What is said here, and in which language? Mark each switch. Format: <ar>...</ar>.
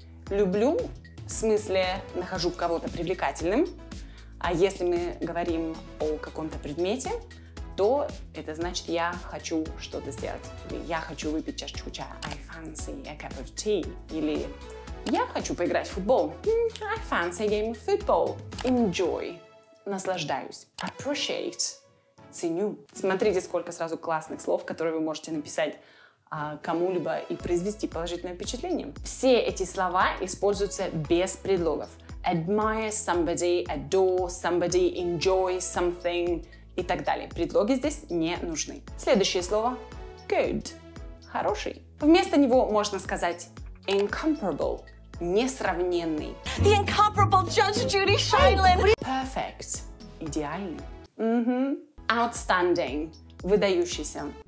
<ru>Люблю, в смысле, нахожу кого-то привлекательным. А если мы говорим о каком-то предмете, то это значит, я хочу что-то сделать. Я хочу выпить чашечку чая.</ru> <en>I fancy a cup of tea.</en> <ru>Или я хочу поиграть в футбол.</ru> <en>I fancy a game of football.</en> <ru>Enjoy. Наслаждаюсь. Appreciate. Ценю. Смотрите, сколько сразу классных слов, которые вы можете написать кому-либо и произвести положительное впечатление. Все эти слова используются без предлогов.</ru> <en>Admire somebody, adore somebody, enjoy something</en> <ru>и так далее. Предлоги здесь не нужны. Следующее слово. Good. Хороший. Вместо него можно сказать incomparable. Несравненный.</ru> <en>The incomparable Judge Judy Shiloh.</en> <ru>Perfect. Идеальный. Outstanding. Выдающийся.</ru>